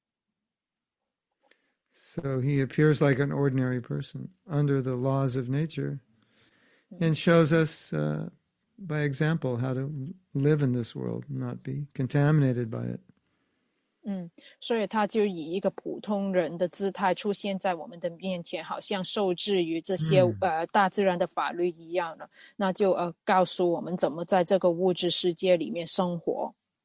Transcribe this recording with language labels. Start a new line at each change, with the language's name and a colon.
Chinese: 因为如果帕布帕德真的做一只鸽子飞过来的话呢，那些人就会因为他的玄秘力量去崇拜他。
English: So he appears like an ordinary person under the laws of nature and shows us by example how to live in this world, not be contaminated by it.
Chinese: 所以他就以一个普通人的姿态出现在我们的面前，好像受制于这些大自然的法律一样的，那就告诉我们怎么在这个物质世界里面生活。